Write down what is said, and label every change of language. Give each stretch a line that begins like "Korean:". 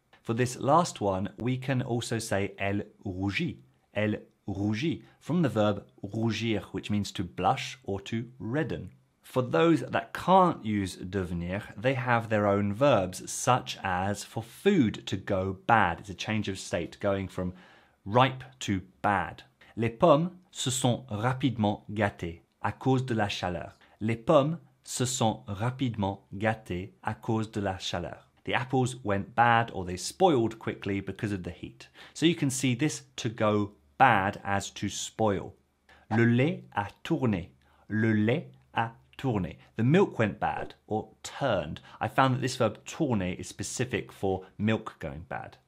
English: For this last one, we can also say
French: elle rougit,
English: from the verb rougir, which means to blush or to redden. For those that can't use devenir, they have their own verbs, such as for food to go bad. It's a change of state, going from ripe to bad.
French: Les pommes se sont rapidement gâtées à cause de la chaleur. Les pommes se sont rapidement gâtées à cause de la chaleur.
English: The apples went bad, or they spoiled quickly because of the heat. So you can see this to go bad as to spoil.
French: Le lait a tourné. Le lait a tourné.
English: The milk went bad, or turned. I found that this verb tourner is specific for milk going bad.